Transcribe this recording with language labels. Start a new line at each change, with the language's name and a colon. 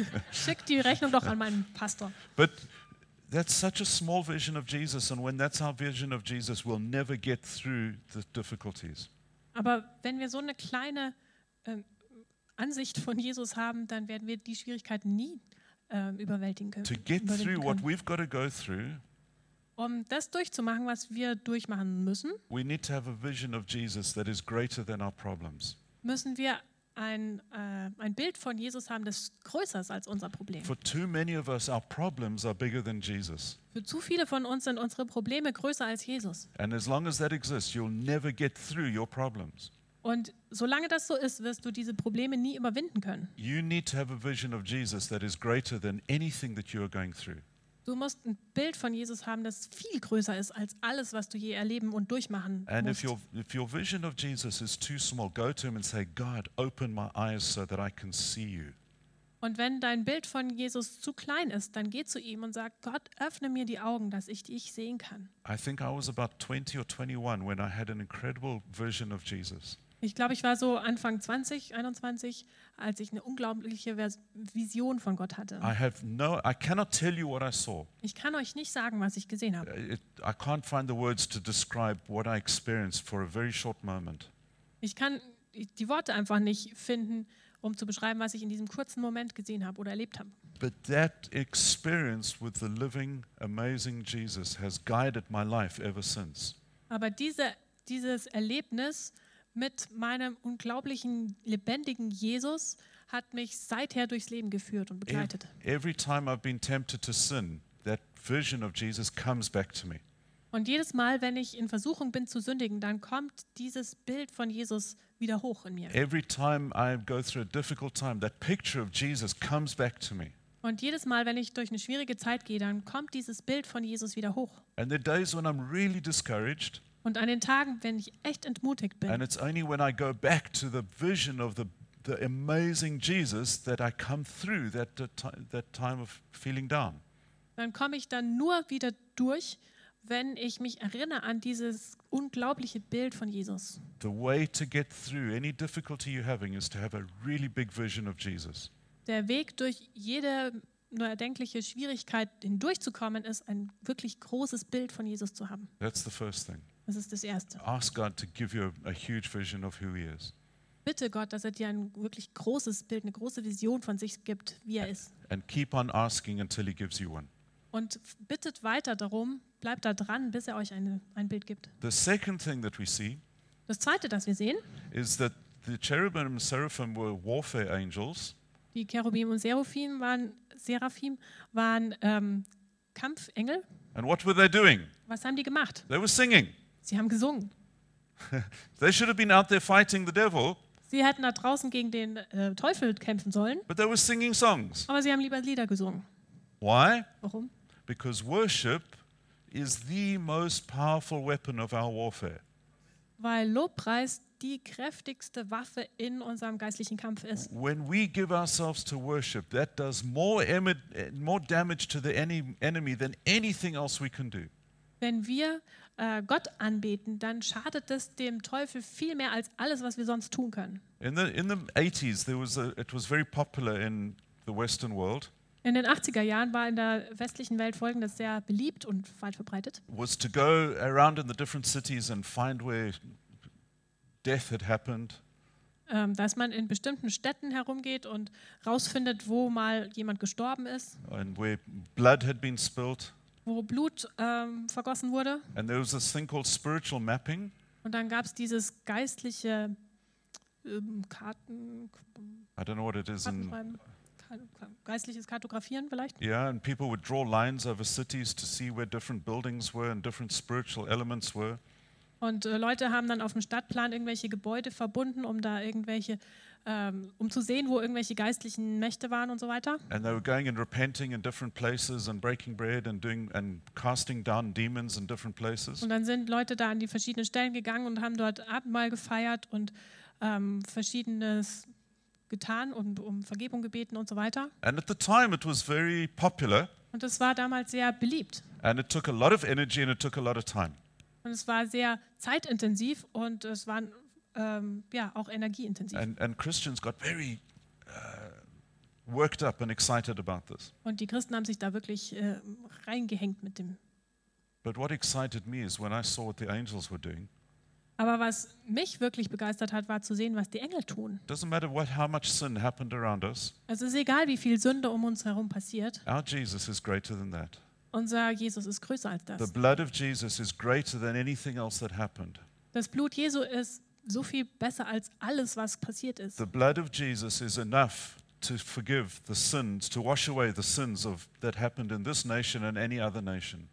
German: Schick die Rechnung doch an meinen Pastor.
English: But that's such a small vision of Jesus, and when that's our vision of Jesus, we'll never get through the difficulties.
German: Aber wenn wir so eine kleine Ansicht von Jesus haben, dann werden wir die Schwierigkeiten nie überwältigen können.
English: To get through what we've got to go through.
German: Um das durchzumachen, was wir durchmachen müssen,
English: we need to have a vision of Jesus that is greater than our problems.
German: Müssen wir ein Bild von Jesus haben, das größer ist als unser Problem.
English: For too many of us, our problems are bigger than Jesus.
German: Für zu viele von uns sind unsere Probleme größer als Jesus.
English: And as long as that exists, you'll never get through your problems.
German: Und solange das so ist, wirst du diese Probleme nie überwinden können.
English: You need to have a vision of Jesus that is greater than anything that you are going through.
German: Du musst ein Bild von Jesus haben, das viel größer ist als alles, was du je erleben und durchmachen musst.
English: And if your vision of Jesus is too small, go to him and say, God, open my eyes so that I can see you.
German: Und wenn dein Bild von Jesus zu klein ist, dann geh zu ihm und sag, Gott, öffne mir die Augen, dass ich dich sehen kann.
English: I think I was about 20 or 21 when I had an incredible vision of Jesus.
German: Ich glaube, ich war so Anfang 20, 21, als ich eine unglaubliche Vision von Gott hatte.
English: I cannot tell you what I saw.
German: Ich kann euch nicht sagen, was ich gesehen habe.
English: I can't find the words to describe what I experienced for a very short moment.
German: Ich kann die Worte einfach nicht finden, um zu beschreiben, was ich in diesem kurzen Moment gesehen habe oder erlebt habe.
English: But that experience with the living, amazing Jesus has guided my life ever since.
German: Aber dieses Erlebnis mit meinem unglaublichen, lebendigen Jesus hat mich seither durchs Leben geführt und begleitet.
English: Every time I've been tempted to sin, that vision of Jesus comes back to me.
German: Und jedes Mal, wenn ich in Versuchung bin zu sündigen, dann kommt dieses Bild von Jesus wieder hoch in mir.
English: Every time I go through a difficult time, that picture of Jesus comes back to me.
German: Und jedes Mal, wenn ich durch eine schwierige Zeit gehe, dann kommt dieses Bild von Jesus wieder hoch.
English: And the days when I'm really discouraged.
German: Und an den Tagen, wenn ich echt entmutigt bin.
English: And it's only when I go back to the vision of the amazing Jesus that I come through that time of feeling down.
German: Dann komme ich dann nur wieder durch, wenn ich mich erinnere an dieses unglaubliche Bild von Jesus.
English: The way to get through any difficulty you're having is to have a really big vision of Jesus.
German: Der Weg durch jede nur erdenkliche Schwierigkeit hindurchzukommen ist, ein wirklich großes Bild von Jesus zu haben.
English: That's the first thing.
German: Das ist das Erste.
English: Ask God to give you a huge vision of who he is.
German: Bitte Gott, dass er dir ein wirklich großes Bild, eine große Vision von sich gibt, wie er ist.
English: And keep on asking until he gives you one.
German: Und bittet weiter darum, bleibt da dran, bis er euch ein Bild gibt.
English: The second thing that we see,
German: das Zweite, das wir sehen, ist, dass die Cherubim und Seraphim waren
English: warfare angels.
German: Die Cherubim und Seraphim waren Kampfengel.
English: And what were they doing?
German: Was haben die gemacht?
English: They were singing.
German: Sie haben gesungen.
English: They should have been out there fighting the devil.
German: Sie hätten da draußen gegen den Teufel kämpfen sollen.
English: But they were singing songs.
German: Aber sie haben lieber Lieder gesungen.
English: Why?
German: Warum?
English: Because worship is the most powerful weapon of our warfare.
German: Weil Lobpreis die kräftigste Waffe in unserem geistlichen Kampf ist.
English: When we give ourselves to worship, that does more damage to the enemy than anything else we can do.
German: Wenn wir Gott anbeten, dann schadet es dem Teufel viel mehr als alles, was wir sonst tun können.
English: In the 80s, it was very popular in the Western world.
German: In den 80er Jahren war in der westlichen Welt Folgendes sehr beliebt und weit verbreitet.
English: Was to go around in the different cities and find where death had happened.
German: Dass man in bestimmten Städten herumgeht und rausfindet, wo mal jemand gestorben ist.
English: And where blood had been spilled.
German: Wo Blut vergossen wurde.
English: And there was this thing called spiritual mapping.
German: Und dann gab es dieses geistliche Karten.
English: I don't know what it is in
German: geistliches Kartografieren vielleicht.
English: Yeah, and people would draw lines over cities to see where different buildings were and different spiritual elements were.
German: Und Leute haben dann auf dem Stadtplan irgendwelche Gebäude verbunden, um da irgendwelche um zu sehen, wo irgendwelche geistlichen Mächte waren und so weiter.
English: And they were going and repenting in different places and breaking bread and doing and casting down demons in different places.
German: Und dann sind Leute da an die verschiedenen Stellen gegangen und haben dort Abendmahl gefeiert und verschiedenes getan und um Vergebung gebeten und so weiter.
English: And at the time it was very popular.
German: Und es war damals sehr beliebt.
English: And it took a lot of energy and it took a lot of time.
German: Und es war sehr zeitintensiv und es waren auch energieintensiv.
English: And Christians got very worked up and excited about this.
German: Und die Christen haben sich da wirklich reingehängt mit dem.
English: But what excited me is when I saw what the angels were doing.
German: Aber was mich wirklich begeistert hat, war zu sehen, was die Engel tun.
English: Doesn't matter what, how much sin happened around us.
German: Also es ist egal, wie viel Sünde um uns herum passiert.
English: Our Jesus is greater than that.
German: Unser Jesus ist größer als das.
English: The blood of Jesus is greater than anything else that happened.
German: Das Blut Jesu ist so viel besser als alles, was passiert ist.
English: The blood of Jesus is enough to forgive the sins, to wash away the sins of that happened in this nation and any other nation.